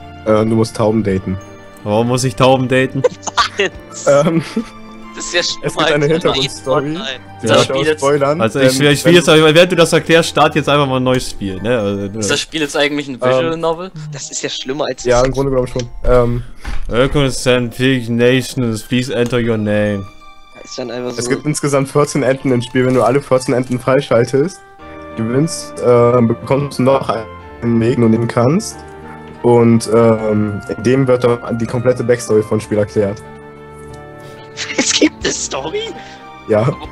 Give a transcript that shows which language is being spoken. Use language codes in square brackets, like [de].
[de] Du musst Tauben daten. Warum muss ich Tauben daten? Das ist ja schon es mal gibt eine Hintergrundstory. Ja. Das Spiel spoilern. Also ich spiele jetzt, während du das erklärst, start jetzt einfach mal ein neues Spiel. Ne? Also, ist das Spiel jetzt eigentlich ein Visual Novel? Das ist ja schlimmer als... Ja, im Grunde glaube ich schon. [en] Welcome to San Pig Nations, please enter your name. [de] Ist dann einfach so. Es gibt insgesamt 14 Enten im Spiel. Wenn du alle 14 Enten freischaltest, gewinnst, bekommst du noch einen Weg, den du nehmen kannst. Und in dem wird dann die komplette Backstory von Spiel erklärt. Es gibt eine Story? Ja.